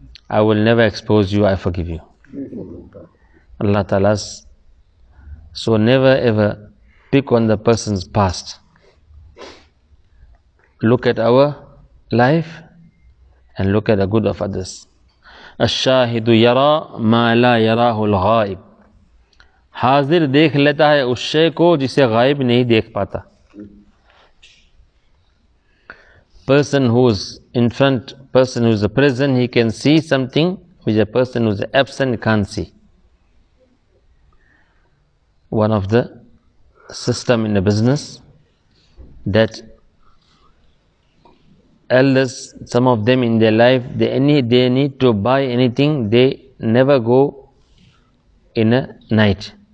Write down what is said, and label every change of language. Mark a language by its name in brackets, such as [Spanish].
[English] I will never expose you, I forgive you. Allah Ta'ala's. So never ever pick on the person's past. Look at our life and look at the good of others. [Arabic] الشاهد يرى ما لا يراه الغائب. [Urdu] حاضر دیکھ لیتا ہے اس شے کو جسے غائب نہیں دیکھ پاتا. [English] Person who's in front, person who's present, he can see something which a person who's absent can't see. One of the system in the business that elders, some of them in their life, they need to buy anything, they never go in a night.